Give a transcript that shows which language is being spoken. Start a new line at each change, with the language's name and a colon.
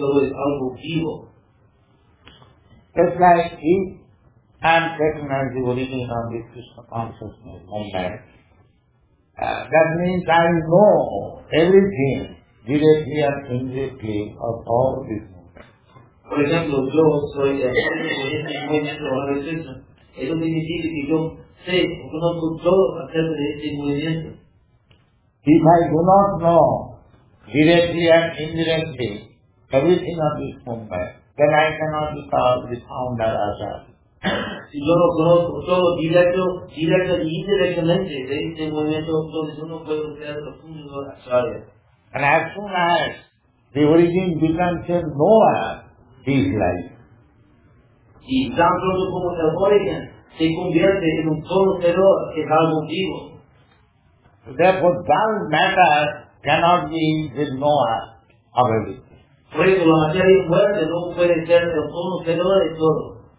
English: It's like if I am taken as the origin of the Krishna consciousness, that means I know everything directly and indirectly of all this.
Spanish: Por ejemplo, yo soy el movimiento de la Krishna. Eso significa que yo sé o conozco todo acerca de este movimiento.
English: If I do not know directly and indirectly everything of this movement, then I cannot be called the founder of that.
Spanish: Si yo no conozco todo directo, directo y indirectamente de este movimiento, entonces yo no puedo ser el fundador de Acharya.
English: And as soon as the origin becomes a knower, his life.
Spanish: Y tan pronto como el origen se convierte en un conocedor que es algo vivo.
English: Therefore, that matter cannot be the knower of everything.
Spanish: Por eso, la materia muerta no puede ser el conocedor de todo.